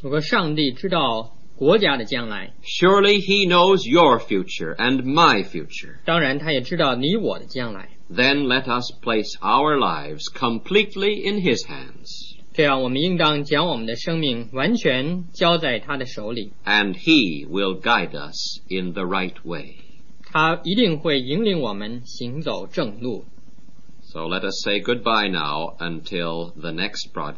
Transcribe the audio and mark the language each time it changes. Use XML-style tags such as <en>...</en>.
<zh>如果上帝知道国家的将来,</zh> <en>surely He knows your future and my future.</en> <zh>当然他也知道你我的将来,</zh> <en>then let us place our lives completely in His hands.</en> <zh>这样我们应当将我们的生命完全交在他的手里,</zh> <en>and He will guide us in the right way.</en> <zh>他一定会引领我们行走正路。</zh> <en>So let us say goodbye now until the next broadcast.</en>